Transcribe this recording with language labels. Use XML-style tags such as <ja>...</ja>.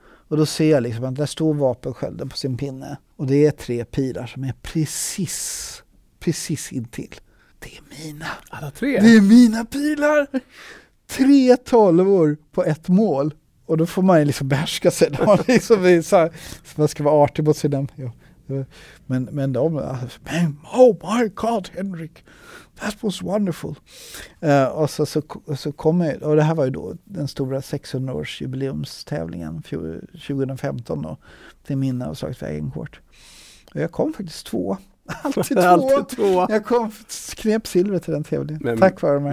<sv>Och då ser jag liksom att där står vapenskölden på sin pinne. Och det är tre pilar som är precis, precis intill. Det är mina. Alla tre? Det är mina pilar! Tre tolvor på ett mål. Och då får man ju liksom behärska sig. Då liksom så här, så man ska vara artig mot sina. Ja. Men de, alltså,</sv> <en>oh my god Henrik, that was wonderful.</en> <sv>Och så kommer, och det här var ju då den stora 600-årsjubileumstävlingen 2015 då, till minne av Slaget vid Agincourt. Och jag kom faktiskt två. Alltid två. Jag kom, knep silver till den tävlingen. Men, tack vare mig.</sv>